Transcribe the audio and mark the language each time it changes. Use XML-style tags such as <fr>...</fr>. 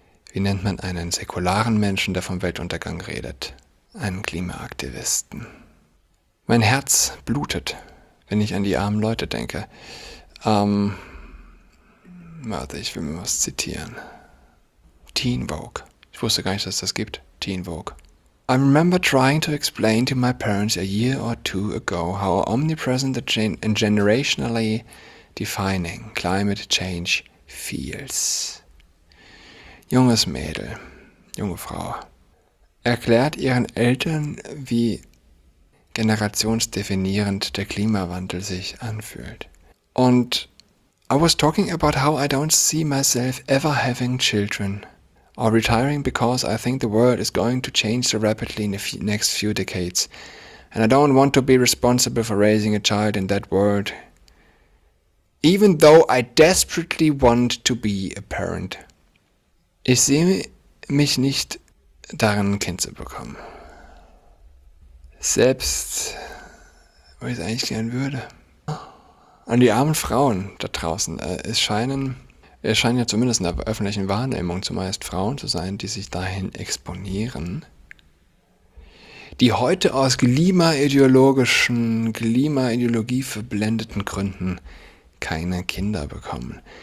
<de>Wie nennt man einen säkularen Menschen, der vom Weltuntergang redet? Einen Klimaaktivisten. Mein Herz blutet, wenn ich an die armen Leute denke. Warte, ich will mir was zitieren. Teen Vogue. Ich wusste gar nicht, dass es das gibt. Teen Vogue.</de> <en>I remember trying to explain to my parents a year or two ago how omnipresent and generationally defining climate change feels.</en> <de>Junges Mädel, junge Frau, erklärt ihren Eltern, wie generationsdefinierend der Klimawandel sich anfühlt.</de> <en>Und I was talking about how I don't see myself ever having children or retiring because I think the world is going to change so rapidly in the next few decades. And I don't want to be responsible for raising a child in that world. Even though I desperately want to be a parent.</en> <de>Ich sehe mich nicht darin, ein Kind zu bekommen. Selbst, weil ich es eigentlich gern würde. An die armen Frauen da draußen, es scheinen ja zumindest in der öffentlichen Wahrnehmung zumeist Frauen zu sein, die sich dahin exponieren, die heute aus Klimaideologie verblendeten Gründen keine Kinder bekommen.</de>